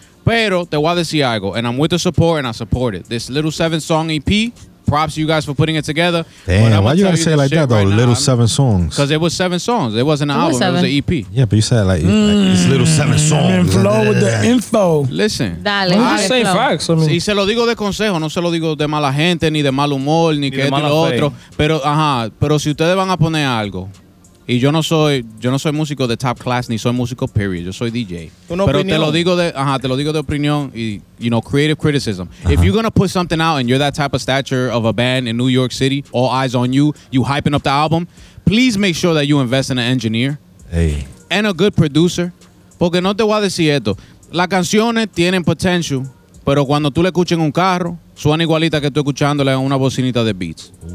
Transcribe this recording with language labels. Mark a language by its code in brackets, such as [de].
[es] Pero te voy a decir algo, [en] and I'm with the support, and I support it. This little 7-song EP, props to you guys for putting it together. Damn, why you gotta say it like that, though? Right, little 7 songs. Because it was 7 songs. It wasn't an album, it was an EP. Yeah, but you said like, it's little 7 songs. And flow with the info. Listen. [es] Dale. [en] You just say facts. I mean. [es] Si, se lo digo de consejo, no se lo digo de mala gente, ni de mal humor, ni que esto y lo otro. Pero, ajá, pero si ustedes van a poner algo... Y yo no soy músico de top class ni soy músico period. Yo soy DJ. Pero te lo digo de opinión y [en] you know creative criticism. [es] Uh-huh. [en] If you're gonna put something out and you're that type of stature of a band in New York City, all eyes on you, you hyping up the album, please make sure that you invest in an engineer, hey, and a good producer. [es] Porque no te voy a decir esto. Las canciones tienen potential, pero cuando tú le escuchas en un carro, suena igualita que tú escuchándole en una bocinita de Beats.